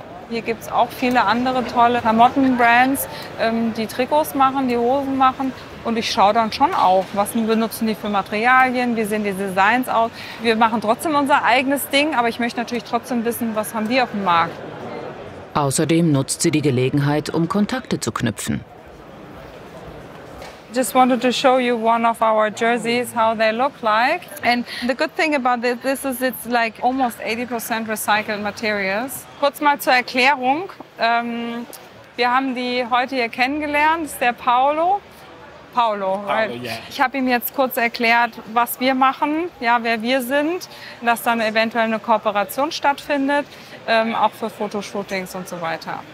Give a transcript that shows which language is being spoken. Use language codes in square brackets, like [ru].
[de] Hier gibt es auch viele andere tolle Klamottenbrands, die Trikots machen, die Hosen machen. Und ich schaue dann schon auf, was benutzen die für Materialien, wie sehen die Designs aus. Wir machen trotzdem unser eigenes Ding, aber ich möchte natürlich trotzdem wissen, was haben die auf dem Markt. Außerdem nutzt sie die Gelegenheit, um Kontakte zu knüpfen. [en] I just wanted to show you one of our jerseys, how they look like. And the good thing about this is it's like almost 80% recycled materials. [de] Kurz mal zur Erklärung. Wir haben die heute hier kennengelernt, ist der Paolo. Paolo, [en] right? [de] Ich habe ihm jetzt kurz erklärt, was wir machen, ja, wer wir sind, dass dann eventuell eine Kooperation stattfindet, auch für Fotoshootings und so weiter.